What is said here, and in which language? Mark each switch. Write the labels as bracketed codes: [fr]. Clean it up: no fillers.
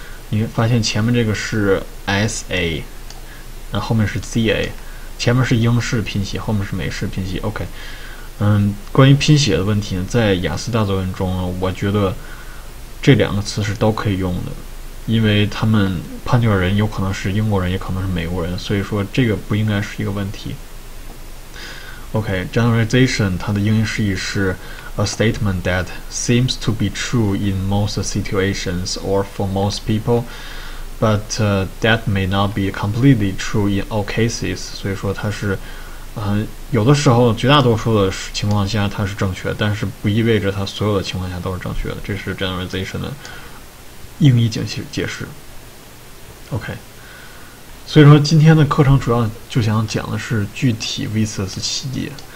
[zh] 你发现前面这个是 sa，那后面是 za，前面是英式拼写，后面是美式拼写。 OK，关于拼写的问题呢，在雅思大作文中呢，我觉得这两个词是都可以用的。因为他们判卷人有可能是英国人，也可能是美国人，所以说这个不应该是一个问题。 [en] OK，generalization 它的英式意是 a statement that seems to be true in most situations or for most people，but that may not be completely true in all cases。 [zh] 所以说它是，有的时候绝大多数的情况下它是正确，但是不意味着它所有的情况下都是正确的。这是 generalization 的应力解释，OK。所以说，今天的课程主要就想讲的是具体 vs 细节。